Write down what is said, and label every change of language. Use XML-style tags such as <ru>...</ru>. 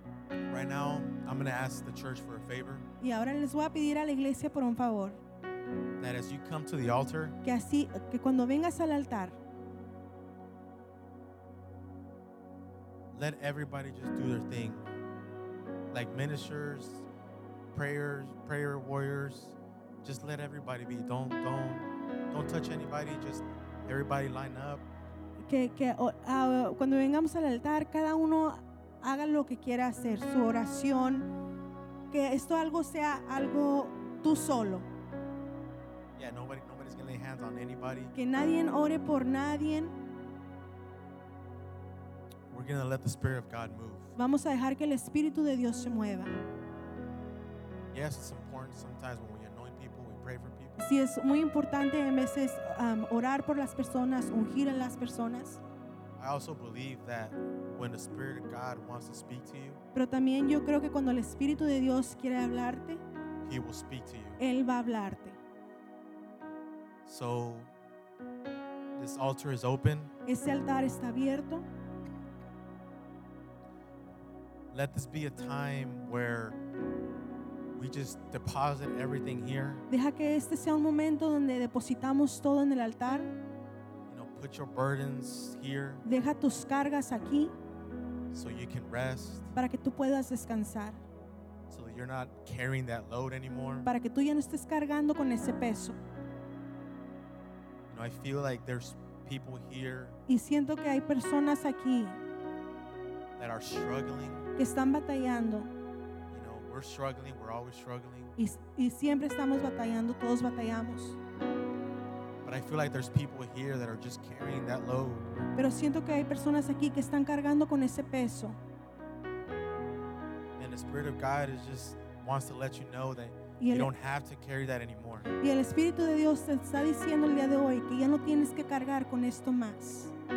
<en>Right now, I'm going to ask the church for a favor.</en> <es>Y ahora les voy a pedir a la iglesia por un favor.</es> <en>That as you come to the altar,</en> <es>que cuando vengas al altar,</es> <en>let everybody just do their thing. Like ministers, prayer warriors, just let everybody be. Don't touch anybody. Just everybody line up.</en> <es>Cuando vengamos al altar, cada uno haga lo que quiera hacer, su oración. Que esto algo sea algo tú solo.</es> <en>Yeah, nobody's gonna lay hands on anybody.</en> <es>Que nadie ore por nadie.</es> <en>We're going to let the Spirit of God move.</en> <es>Vamos a dejar que el Espíritu de Dios se mueva.</es> <en>Yes, it's important sometimes when we anoint people, we pray for people.</en> <es>Sí, es muy importante en veces orar por las personas, ungir a las personas.</es> <en>I also believe that when the Spirit of God wants to speak to you,</en> <es>pero también yo creo que cuando el Espíritu de Dios quiere hablarte,</es> <en>He will speak to you.</en> <es>Él va a hablarte.</es> <en>So, this altar is open.</en> <es>Este altar está abierto.</es> <en>Let this be a time where we just deposit everything here.</en> <es>Deja que este sea un momento donde depositamos todo en el altar.</es> <en>You know, put your burdens here.</en> <es>Deja tus cargas aquí.</es> <en>So you can rest.</en> <es>Para que tú puedas descansar.</es> <en>So that you're not carrying that load anymore.</en> <es>Para que tú ya no estés cargando con ese peso.</es> <en>You know, I feel like there's people here.</en> <es>Y siento que hay personas aquí.</es> <en>That are struggling.</en> <es>Que están batallando.</es> <en>You know, we're struggling, we're always struggling.</en> <es>Y siempre estamos batallando, todos batallamos.</es> <en>But I feel like there's people here that are just carrying that load.</en> <es>Pero siento que hay personas aquí que están cargando con ese peso.</es> <en>And the Spirit of God is just wants to let you know that you don't have to carry that anymore.</en> <es>Y el Espíritu de Dios te está diciendo el día de hoy que ya no tienes que cargar con esto más.</es>